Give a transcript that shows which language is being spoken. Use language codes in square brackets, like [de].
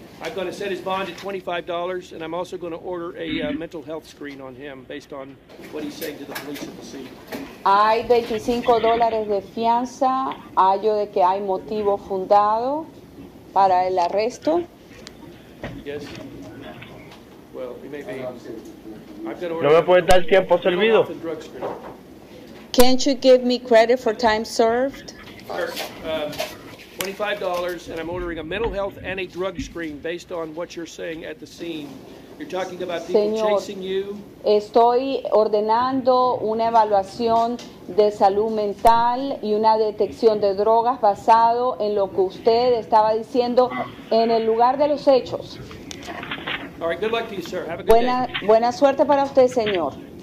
[en] I'm going to set his bond at $25, and I'm also going to order a mental health screen on him based on what he's saying to the police at the scene. [es] Hay $25 de fianza, hallo de que hay motivo fundado para el arresto. [en] Yes. Well, it may be. [es] No me puedes dar tiempo servido. [en] Can't you give me credit for time served? $25, and I'm ordering a mental health and a drug screen based on what you're saying at the scene. You're talking about people, [es] señor, [en] chasing you. [es] Estoy ordenando una evaluación de salud mental y una detección de drogas basado en lo que usted estaba diciendo en el lugar de los hechos. [en] All right, good luck to you, sir. Have a good [es] day. Buena suerte para usted, señor.